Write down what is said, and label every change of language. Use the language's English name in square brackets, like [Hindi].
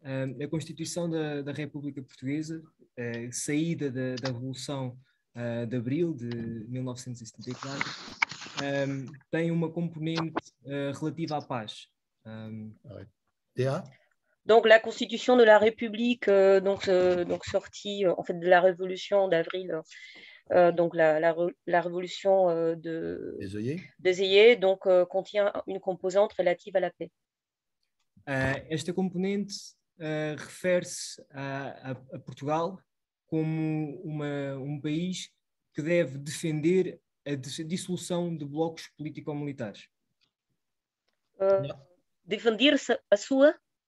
[Portuguese] La Constituição da República Portuguesa, saída da Revolução d'Abril de 1974, tem uma componente relativa à paz. D.A.? [French] Donc, la Constitution de la République, donc sortie en fait de la Révolution d'avril, donc la Révolution des œillets, donc contient une composante relative à la paix. [Portuguese] Esta componente refere-se a Portugal como um país que deve defender a dissolução de blocos político-militares. Defender-se a sua?